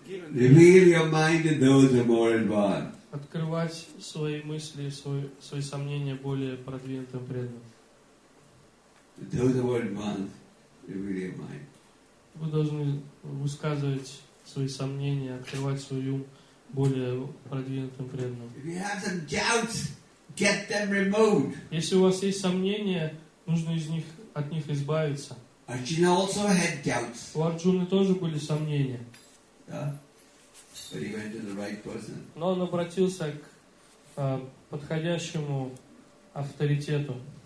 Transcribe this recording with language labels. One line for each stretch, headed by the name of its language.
English: Reveal your mind to those who are more advanced.
Russian: Открывать свои мысли, свои сомнения более продвинутым преданным.
English: Those who are advanced, reveal your mind.
Russian: Вы должны высказывать свои сомнения, открывать свой ум более продвинутым преданным.
English: If you have some doubts, get them removed.
Russian: Если у вас есть сомнения, нужно от них избавиться.
English: Arjuna also had doubts.
Russian: У Арджуны тоже были сомнения.
English: Yeah. But he went to the right person.
Russian: Но он обратился к подходящему авторитету.